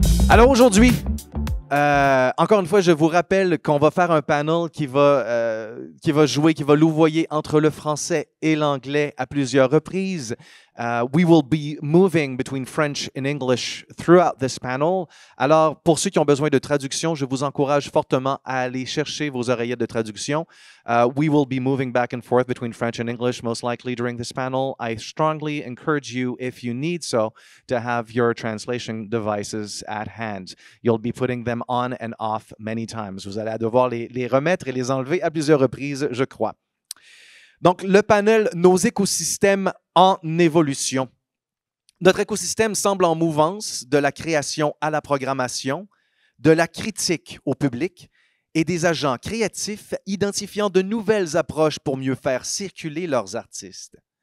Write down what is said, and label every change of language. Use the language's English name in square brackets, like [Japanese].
[French] Alors aujourd'hui, encore une fois, je vous rappelle qu'on va faire un panel qui va louvoyer entre le français et l'anglais à plusieurs reprises. [English] We will be moving between French and English throughout this panel. [French] Alors, pour ceux qui ont besoin de traduction, je vous encourage fortement à aller chercher vos oreillettes de traduction. [English] We will be moving back and forth between French and English, most likely during this panel. I strongly encourage you, if you need so, to have your translation devices at hand. You'll be putting them on and off many times. [French] Vous allez devoir les remettre et les enlever à plusieurs reprises, je crois. Donc, le panel « Nos écosystèmes en évolution ». Notre écosystème semble en mouvance de la création à la programmation, de la critique au public et des agents créatifs identifiant de nouvelles approches pour mieux faire circuler leurs artistes.